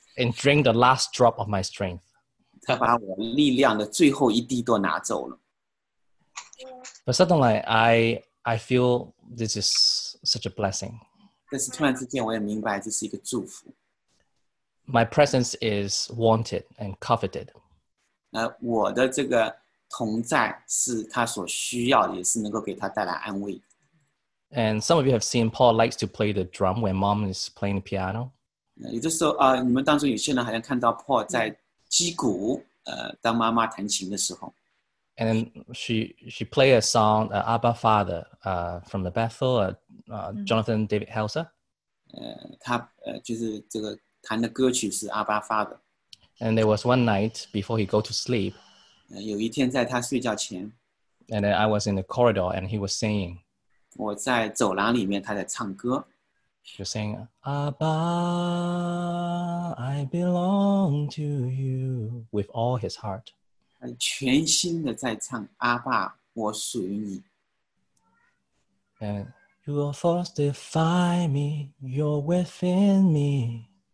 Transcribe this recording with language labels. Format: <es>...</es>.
<en>And drink the last drop of my strength.</en> <zh>他把我力量的最后一滴都拿走了。</zh> <en>But suddenly, I feel this is such a blessing.</en> <zh>但是突然之间，我也明白这是一个祝福。</zh> <en>My presence is wanted and coveted.</en> <zh>我的这个同在是他所需要的，也是能够给他带来安慰。</zh> <en>And some of you have seen Paul likes to play the drum when mom is playing the piano.</en> <zh>有的时候，你们当中有些人好像看到 Paul 在击鼓。当妈妈弹琴的时候,</zh> <en>and she play a song, Abba Father, from the Bethel, Jonathan David Helser.</en> <zh>他就是这个弹的歌曲是 Abba Father.</zh> <en>And there was one night before he go to sleep.</en> <zh>有一天在他睡觉前,</zh> <en>and then I was in the corridor and he was singing.</en> <zh>我在走廊里面他在唱歌.</zh> <en>He was saying, Abba, I belong to you with all his heart.</en> <zh>全心的在唱,阿爸,我属于你。</zh> <en>And you will fortify me, you're within me.</en>